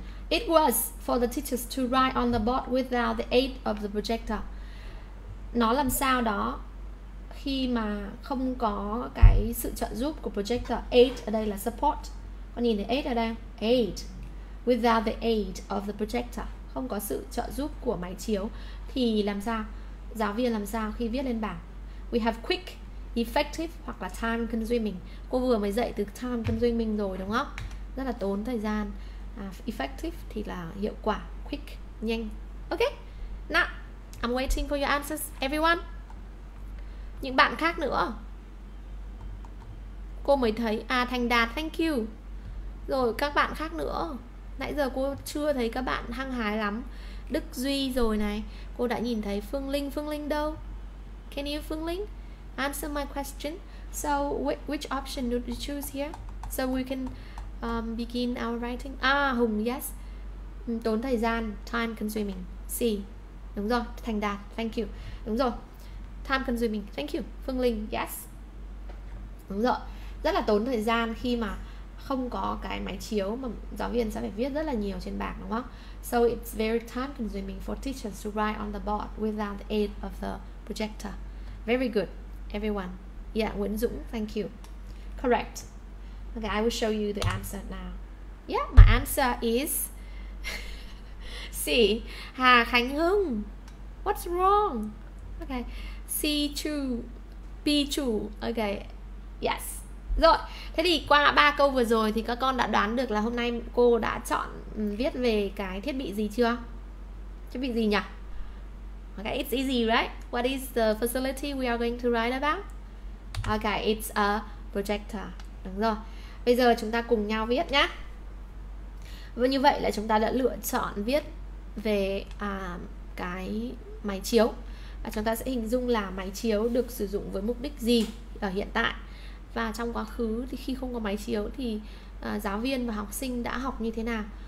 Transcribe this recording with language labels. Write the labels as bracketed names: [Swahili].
[English] It was for the teachers to write on the board without the aid of the projector. [Vietnamese] Nó làm sao đó khi mà không có cái sự trợ giúp của projector? Aid ở đây là support. Con nhìn thấy aid ở đây. Aid. Without the aid of the projector, không có sự trợ giúp của máy chiếu thì làm sao? Giáo viên làm sao khi viết lên bảng? [English] We have quick, effective [Vietnamese] hoặc là time consuming. Cô vừa mới dạy từ time consuming rồi đúng không? Rất là tốn thời gian. Effective thì là hiệu quả, quick, nhanh. [English] Ok, now I'm waiting for your answers, everyone. [Vietnamese] Những bạn khác nữa. Cô mới thấy, Thành Đạt, thank you. Rồi các bạn khác nữa. Nãy giờ cô chưa thấy các bạn hăng hái lắm. Đức Duy rồi này. Cô đã nhìn thấy Phương Linh đâu? [English] Can you, Phương Linh, answer my question? So which option do you choose here? So we can begin our writing. Hùng, yes. [Vietnamese] Tốn thời gian, time consuming. See. Đúng rồi, Thành Đạt, thank you. Đúng rồi, time consuming, thank you. Phương Linh, yes. Đúng rồi, rất là tốn thời gian khi mà không có cái máy chiếu mà giáo viên sẽ phải viết rất là nhiều trên bảng đúng không? [English] So it's very time consuming for teachers to write on the board without the aid of the projector. Very good, everyone. Yeah, Nguyễn Dũng, thank you. Correct. Okay, I will show you the answer now. Yeah, my answer is C. Hà Khánh Hưng. What's wrong? Okay, C Chu, B Chu. Okay, yes. [Vietnamese] Rồi, thế thì qua 3 câu vừa rồi thì các con đã đoán được là hôm nay cô đã chọn viết về cái thiết bị gì chưa? Thiết bị gì nhỉ? [English] Okay, it's easy, right? What is the facility we are going to write about? Okay, it's a projector. [Vietnamese] Đúng rồi. Bây giờ chúng ta cùng nhau viết nhé. Và như vậy là chúng ta đã lựa chọn viết về cái máy chiếu. Và chúng ta sẽ hình dung là máy chiếu được sử dụng với mục đích gì ở hiện tại. Và trong quá khứ thì khi không có máy chiếu thì giáo viên và học sinh đã học như thế nào.